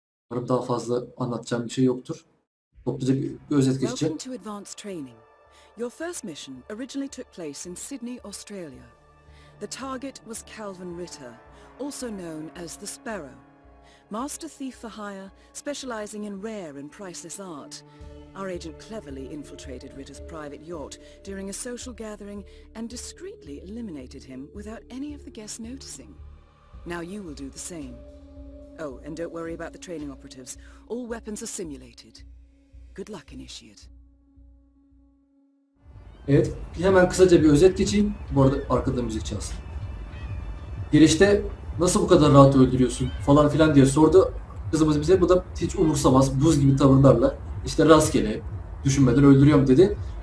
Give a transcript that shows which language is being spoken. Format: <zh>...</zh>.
<tr>Umarım daha fazla anlatacağım bir şey yoktur. Topluca bir özet geçeceğim.</tr> <en>Welcome to advanced training. Your first mission originally took place in Sydney, Australia. The target was Calvin Ritter, also known as the Sparrow. Master thief for hire, specializing in rare and priceless art. Our agent cleverly infiltrated Ritter's private yacht during a social gathering and discreetly eliminated him without any of the guests noticing. Now you will do the same. Oh, and don't worry about the training operatives. All weapons are simulated. Good luck, initiate.</en> <tr>Evet, hemen kısaca bir özet geçeyim. Bu arada arkada müzik çalsın. Girişte nasıl bu kadar rahat öldürüyorsun falan filan diye sordu kızımız bize. Bu da hiç umursamaz, buz gibi tavırlarla işte rastgele düşünmeden öldürüyorum dedi.</tr>